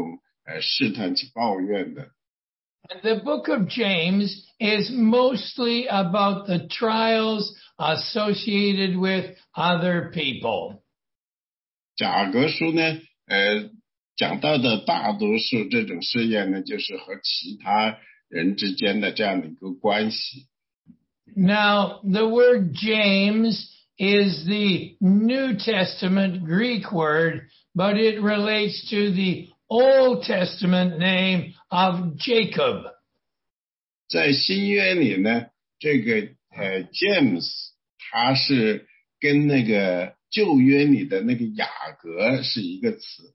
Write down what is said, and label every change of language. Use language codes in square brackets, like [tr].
[zh] 因为我们会抱怨说，哎，这个人他怎么为什么比我生活的好？他为什么有这有那？他为什么有朋友？而我却没有，所以我们会像这样陷入这样的一种试探去抱怨的。 [en] The book of James is mostly about the trials associated with other people. [zh] 雅各书呢, 讲到的大多数这种试验呢, 就是和其他人之间的这样的一个关系。 [en] Now, the word James is the New Testament Greek word, but it relates to the Old Testament name of Jacob. [zh] 在新约里呢, 这个, James, 他是跟那个旧约里的那个雅各是一个词。